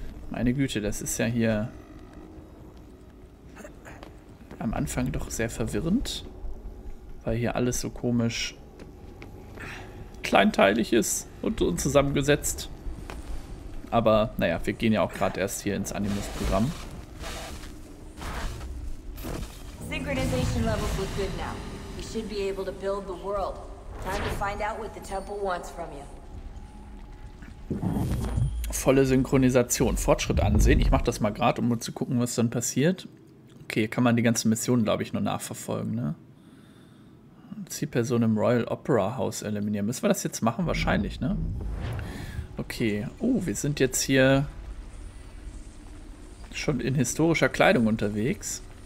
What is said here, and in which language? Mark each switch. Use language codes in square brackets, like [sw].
[de] Meine Güte, das ist ja hier am Anfang doch sehr verwirrend, weil hier alles so komisch kleinteilig ist und zusammengesetzt. Aber naja, wir gehen ja auch gerade erst hier ins Animus-Programm. [en] Synchronization levels look good now. You should be able to build the world. Time to find out what the temple wants from you. [de] Volle Synchronisation. Fortschritt ansehen. Ich mache das mal gerade, um nur zu gucken, was dann passiert. Okay, hier kann man die ganzen Missionen, glaube ich, nur nachverfolgen, ne? Zielperson im Royal Opera House eliminieren. Müssen wir das jetzt machen? Wahrscheinlich, ne? Okay. Oh, wir sind jetzt hier schon in historischer Kleidung unterwegs.